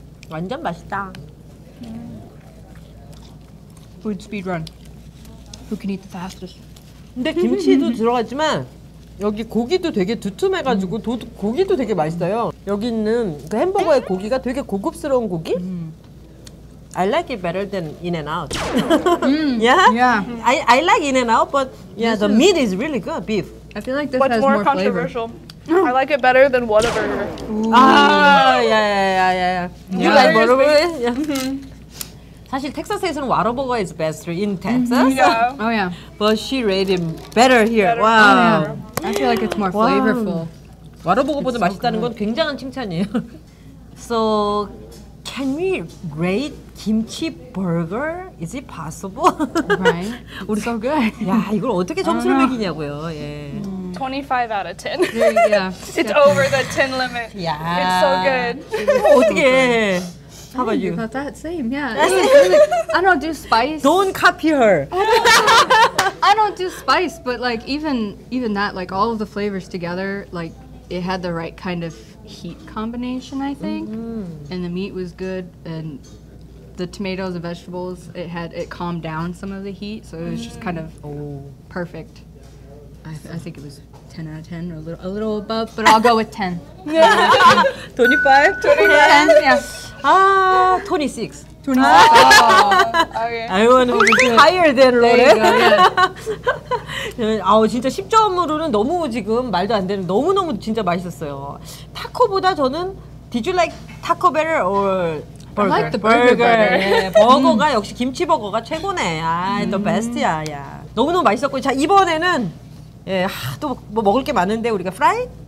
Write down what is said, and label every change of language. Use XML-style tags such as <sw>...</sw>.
<ko>완전 맛있다.</ko> <en>Food speed run. Who can eat the fastest?</en> <ko>근데 김치도 들어갔지만 여기 고기도 되게 두툼해가지고 고기도 되게 맛있어요. 여기 있는 그 햄버거의 고기가 되게 고급스러운 고기?</ko> <en>I like it better than In-N-Out. yeah? Yeah. I like In-N-Out, but yeah, the meat is really good. Beef. I feel like this has more flavor. What's more controversial? I like it better than Whataburger. Ooh. Ah, yeah, yeah, yeah, yeah. You like Whataburger? Yeah. Mm-hmm.</en> <ko>사실 텍사스에서는</ko> <en>Whataburger is best in Texas. Yeah. Oh yeah. But she rated him better here. Better. Wow. Oh, yeah. I feel like it's more flavorful.</en> <ko>Whataburger보다 so 맛있다는 good. 건 굉장한 칭찬이에요.</ko> <en>So, can we rate kimchi burger? Is it possible? Right. 우리 so good.</en> <ko>야, 이걸 어떻게 점수를 매기냐고요. 예.</ko> <en>25 out of 10. Yeah, yeah. It's over the 10 limit. Yeah. It's so good. Oh, yeah. How about you? I thought that same, yeah. Really, I don't do spice. Don't copy her. I don't do spice, but like even that, like all of the flavors together, like it had the right kind of heat combination, I think. Mm-hmm. And the meat was good and the tomatoes and vegetables, it calmed down some of the heat. So it was just kind of perfect. I think it was 10 out of 10 or a little above, but I'll go with 10. 25? 25? 10, yes. 26. 26. I want to be higher than Lore. There you go, yeah.</en> <ko>아, 진짜 10점으로는 너무 지금 말도 안 되는 너무너무 진짜 맛있었어요. 타코보다 저는</ko> <en>Did you like taco better or burger? I like the burger.</en> <ko>버거가 역시 김치버거가 최고네. 아,</ko> <en>the best</en> <ko>야. Yeah. 너무너무 맛있었고 자 이번에는 예, 또 뭐 먹을 게 많은데 우리가 프라이?</ko>